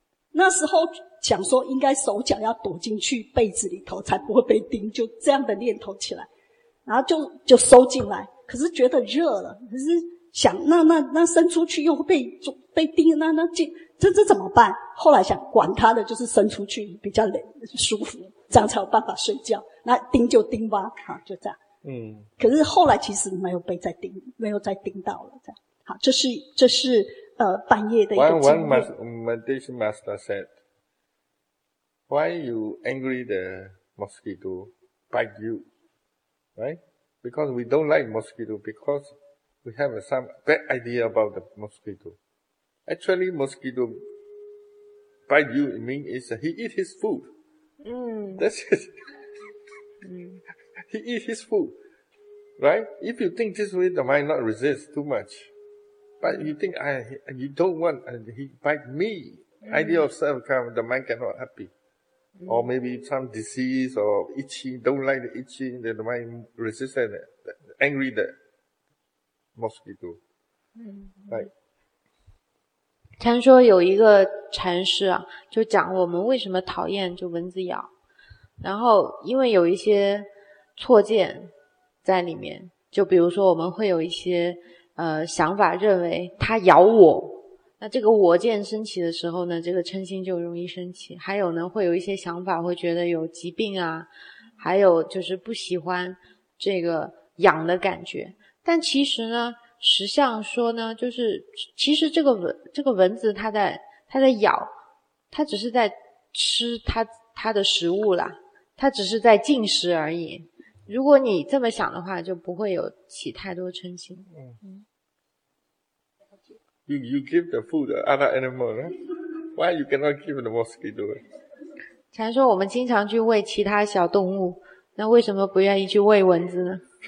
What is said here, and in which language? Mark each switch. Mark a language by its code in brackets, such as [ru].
[zh] 那时候想说应该手脚要躲进去被子里头才不会被叮，就这样的念头起来，然后就收进来，可是觉得热了，可是想那伸出去又会被叮，那进这怎么办？后来想管他的，就是伸出去比较舒服，这样才有办法睡觉，那叮就叮吧，好，就这样。嗯，可是后来其实没有被再叮，没有再叮到了，这样。好，这是半夜的一个经历。 [en] One meditation master said, "Why you angry the mosquito bite you? Right? Because we don't like mosquito because we have some bad idea about the mosquito. Actually, mosquito bite you means is he eat his food. That's it. He eat his food, right? If you think this way, the mind not resist too much. But you think, you don't want, and he bite me. Idea of self come, the mind cannot happy. Or maybe some disease or itching, don't like the itching, then the mind resist and angry the mosquito. Right. [zh] 禅说有一个禅师啊，就讲我们为什么讨厌就蚊子咬，然后因为有一些错见在里面，就比如说我们会有一些想法认为他咬我，那这个我见升起的时候呢，这个嗔心就容易升起。还有呢，会有一些想法会觉得有疾病啊，还有就是不喜欢这个痒的感觉。但其实呢，实相说呢，就是其实这个蚊子它在咬，它只是在吃它的食物啦，它只是在进食而已。如果你这么想的话，就不会有起太多嗔心。 [en] You give the food to other animals, right? Why you cannot give the mosquito? [zh] 禅说我们经常去喂其他小动物，那为什么不愿意去喂蚊子呢？